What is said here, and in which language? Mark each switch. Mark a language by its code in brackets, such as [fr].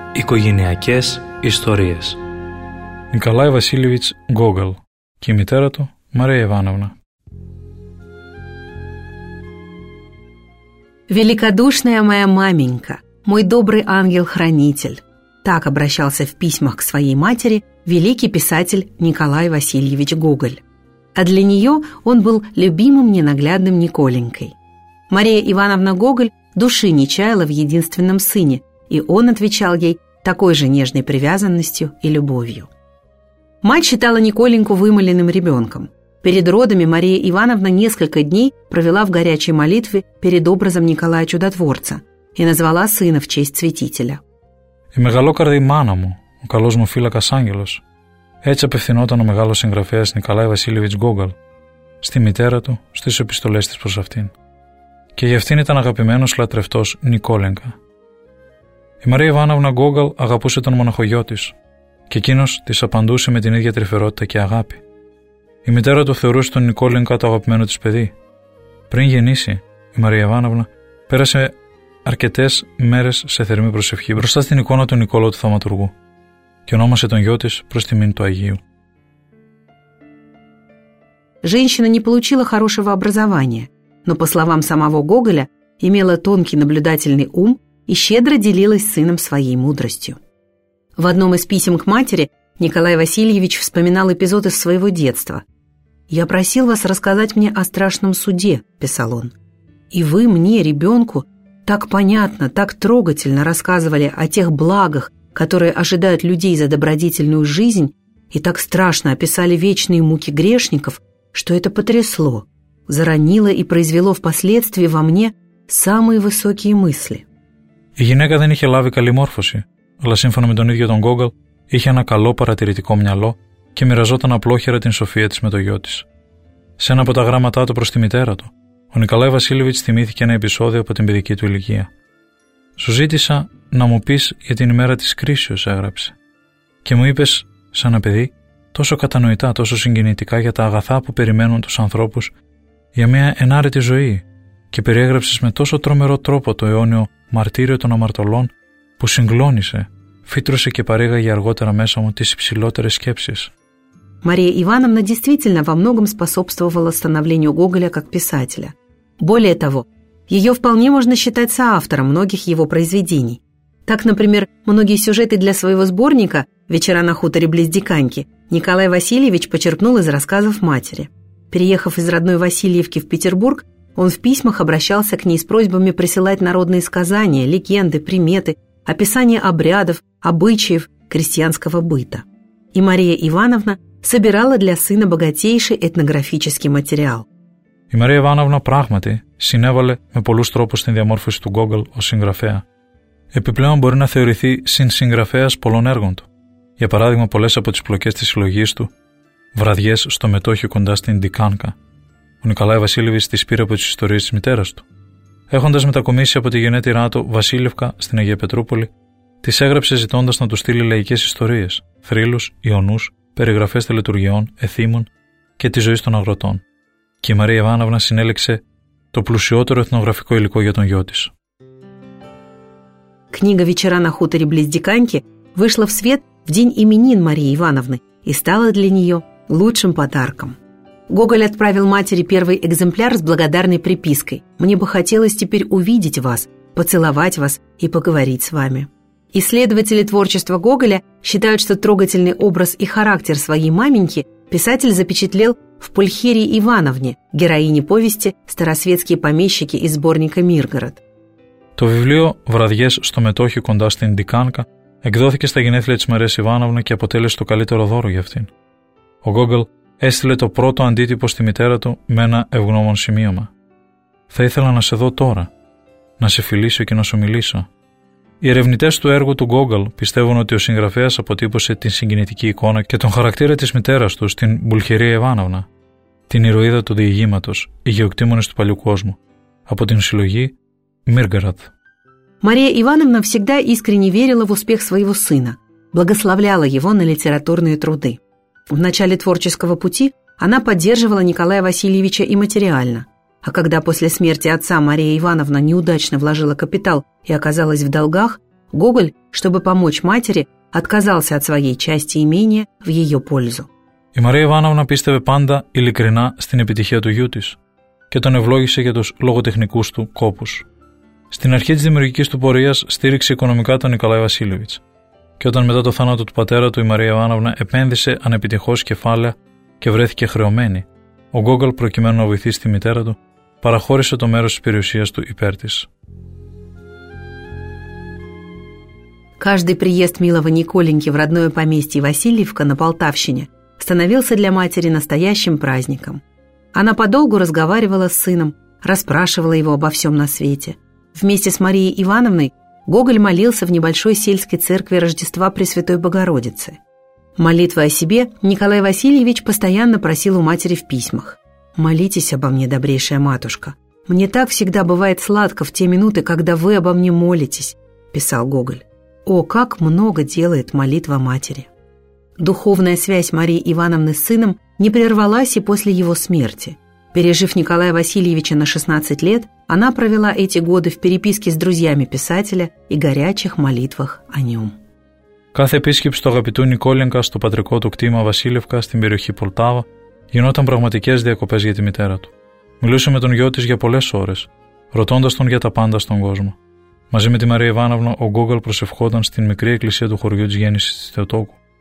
[el] Οικογενειακές ιστορίες. Νικολάι Βασίλειβιτς Γκόγκαλ και η μητέρα του Μαρία Ιβάνοβνα. [ru] Великодушная моя маменька, мой добрый ангел-хранитель. Так обращался в письмах к своей матери великий писатель Николай Васильевич Гоголь. А для нее он был любимым ненаглядным Николенькой. Мария Ивановна Гоголь души не чаяла в единственном сыне, и он отвечал ей такой же нежной привязанностью и любовью. Мать считала Николеньку вымоленным ребенком. Перед родами Мария Ивановна несколько дней провела в горячей молитве перед образом Николая Чудотворца и назвала сына в честь святителя. [el] «Η μεγαλόκαρδη μάνα μου, ο καλός μου φύλακας άγγελος», έτσι απευθυνόταν ο μεγάλος συγγραφέας Νικολάι Βασίλειβιτς Γκόγκαλ στη μητέρα του στις επιστολές της προς αυτήν. Και για αυτήν ήταν αγαπημένος λατρευτός Νικόλενκα. Η Μαρία Ιβάνοβνα Γκόγκαλ αγαπούσε τον μοναχογιό της και εκείνος της απαντούσε με την ίδια τρυφερότητα και αγάπη. Η μητέρα του θεωρούσε τον Νικόλενκα το αγαπημένο της παιδί. Πριν γεννήσει, η Μαρία Ιβάνοβνα πέρασε αρκετές μέρες σε θερμή προσευχή μπροστά στην εικόνα του Νικόλαου του Θαυματουργού και ονόμασε τον γιο της προς τιμήν του Αγίου. [ru] Женщина не получила хорошего образования, но, по словам самого Гоголя, имела тонкий наблюдательный ум и щедро делилась с сыном своей мудростью. В одном из писем к матери Николай Васильевич вспоминал эпизод из своего детства. «Я просил вас рассказать мне о страшном суде», – писал он. «И вы мне, ребенку, так понятно, так трогательно рассказывали о тех благах, которые ожидают людей за добродетельную жизнь, и так страшно описали вечные муки грешников, что это потрясло, заронило и произвело впоследствии во мне самые высокие мысли». [el] Η γυναίκα δεν είχε λάβει καλή μόρφωση, αλλά σύμφωνα με τον ίδιο τον Γκόγκαλ, είχε ένα καλό παρατηρητικό μυαλό και μοιραζόταν απλόχερα την σοφία της με το γιο της. Σε ένα από τα γράμματά του προς τη μητέρα του, ο Νικολάι Βασίλειβιτς θυμήθηκε ένα επεισόδιο από την παιδική του ηλικία. «Σου ζήτησα να μου πεις για την ημέρα της κρίσεως», έγραψε. «Και μου είπες, σαν ένα παιδί, τόσο κατανοητά, τόσο συγκινητικά για τα αγαθά που περιμένουν τους ανθρώπους για μια ενάρετη ζωή και περιέγραψες με τόσο τρομερό τρόπο το αιώνιο μαρτύριο των αμαρτωλών που συγκλώνησε, φύτρωσε και παρήγαγε αργότερα μέσα μου τις υψηλότερες σκέψεις». [ru] Мария Ивановна действительно во многом способствовала становлению Гоголя как писателя. Более того, ее вполне можно считать соавтором многих его произведений. Так, например, многие сюжеты для своего сборника «Вечера на хуторе близ Диканьки» Николай Васильевич почерпнул из рассказов матери. Переехав из родной Васильевки в Петербург, он в письмах обращался к ней с просьбами присылать народные сказания, легенды, приметы, описания обрядов, обычаев, крестьянского быта. И Мария Ивановна собирала для сына богатейший этнографический материал. [el] Η Μαρία Ιβάνοβνα πράγματι συνέβαλε με πολλούς τρόπους στην διαμόρφωση του Γκόγκαλ ως συγγραφέα. Επιπλέον μπορεί να θεωρηθεί συνσυγγραφέας πολλών έργων του. Για παράδειγμα, πολλές από τις πλοκές της συλλογής του, «Βραδιές στο μετόχιο κοντά στην Ντικάνκα», ο Νικολάι Βασίλειβιτς τις πήρε από τις ιστορίες της μητέρας του. Έχοντας μετακομίσει από τη γενέτειρά του Βασίλευκα στην Αγία Πετρούπολη, τις έγραψε ζητώντας να του στείλει λαϊκές ιστορίες, θρύλους, ιονούς, περιγραφές τελετουργιών, εθήμων και τη ζωή των αγροτών. Και η Μαρία Ιβάνοβνα συνέλεξε το πλουσιότερο εθνογραφικό υλικό για τον γιο της. [ru] Книга «Вечера на хуторе близ Диканьки» вышла в свет в день именин Марии Ивановны и стала для нее лучшим подарком. Гоголь отправил матери первый экземпляр с благодарной припиской: «Мне бы хотелось теперь увидеть вас, поцеловать вас и поговорить с вами». Исследователи творчества Гоголя считают, что трогательный образ и характер своей маменьки писатель запечатлел в Пульхерии Ивановне, героине повести «Старосветские помещики» из сборника «Миргород». [el] То библио «Вραδιές στο μετόχιο κοντά στην Ντικάνκα» εκδόθηκε στα γενέθλια της Μαρίας Ιβάνοβνα και αποτέλεσε το καλύτερο δώρο για αυτήν. Ο Γκόγκαλ έστειλε το πρώτο αντίτυπο στη μητέρα του με ένα ευγνώμων σημείωμα. «Θα ήθελα να σε δω τώρα, να σε φιλήσω και να σου μιλήσω». Οι ερευνητές του έργου του Γκόγκαλ πιστεύουν ότι ο συγγραφέας αποτύπωσε την συγκινητική εικόνα και τον χαρακτήρα της μητέρας του στην Πουλχερία Ιβάνοβνα, την ηρωίδα του διηγήματος, η γεωκτήμονες του παλιού κόσμου, από την συλλογή «Миргород». [ru] Мария Ивановна всегда искренне верила в успех своего сына, благословляла его на литературные труды. В начале творческого пути она поддерживала Николая Васильевича и материально, А когда после смерти отца Мария Ивановна неудачно вложила капитал и оказалась в долгах, Гоголь, чтобы помочь матери, отказался от своей части имения в ее пользу. [el] Η Μαρία Ιβάνοβνα πίστευε πάντα ειλικρινά στην επιτυχία του γιού της και τον ευλόγησε για τους λογοτεχνικούς του κόπους. Στην αρχή της δημιουργικής του πορείας στήριξε οικονομικά τον Νικολάη Βασίλεβιτς και όταν μετά το θάνατο του πατέρα του η Μαρία Ιβάνοβνα επένδυσε ανεπιτυχώς κεφάλαια και βρέθηκε χρεωμένη, ο Γκόγκολ προκειμένου να βοηθήσει τη μητέρα του παραχώρησε το μέρος της περιουσίας του υπέρ της. [ru] Каждый приезд милого Николеньки в родное поместье Васильевка на Полтавщине становился для матери настоящим праздником. Она подолгу разговаривала с сыном, расспрашивала его обо всем на свете. Вместе с Марией Ивановной Гоголь молился в небольшой сельской церкви Рождества Пресвятой Богородицы. Молитвы о себе Николай Васильевич постоянно просил у матери в письмах. «Молитесь обо мне, добрейшая матушка. Мне так всегда бывает сладко в те минуты, когда вы обо мне молитесь», – писал Гоголь. О, как много делает молитва матери! Духовная связь Марии Ивановны с сыном не прервалась и после его смерти. Пережив Николая Васильевича на 16 лет, она провела эти годы в переписке с друзьями писателя и горячих молитвах о нем. [el] Κάθε επίσκεψη του αγαπητού Νικόλενκα στο πατρικό του κτήμα Βασίλευκα στην περιοχή Πολτάβα γινόταν πραγματικές διακοπές για τη μητέρα του. Μιλούσε με τον γιο της για πολλές ώρες, ρωτώντας τον για τα πάντα στον κόσμο. Μαζί με τη Μαρία Ιβάνοβνα, ο Γκόγκολ προσευχόταν στην μικρή εκκλησία του χωριού της γέννησης της Θεοτόκου.